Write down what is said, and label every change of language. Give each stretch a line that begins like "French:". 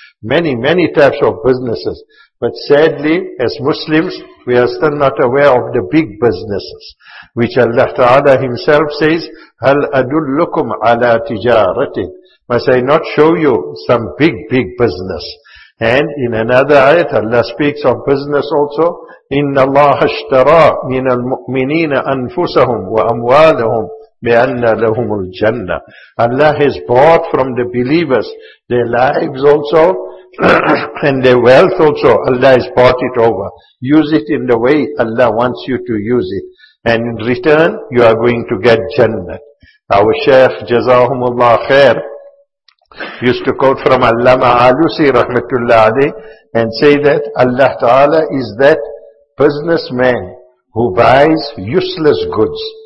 English: Many, many types of businesses. But sadly, as Muslims, we are still not aware of the big businesses, which Allah Ta'ala Himself says,
Arabic: هَلْ أَدُلُّكُمْ عَلَىٰ تِجَارَةٍ,
English: must I not show you some big, big business? And in another ayat, Allah speaks of business also,
Arabic: إِنَّ اللَّهَ اشْتَرَىٰ مِنَ الْمُؤْمِنِينَ أَنفُسَهُمْ وَأَمْوَالَهُمْ بِأَنَّ لَهُمُ الْجَنَّةِ.
English: Allah has bought from the believers their lives also, and their wealth also. Allah has bought it over. Use it in the way Allah wants you to use it, and in return you are going to get Jannah. Our Shaykh Jazahumullah Khair used to quote from Allama Alusi Rahmatullah Ali and say that Allah Ta'ala is that businessman who buys useless goods.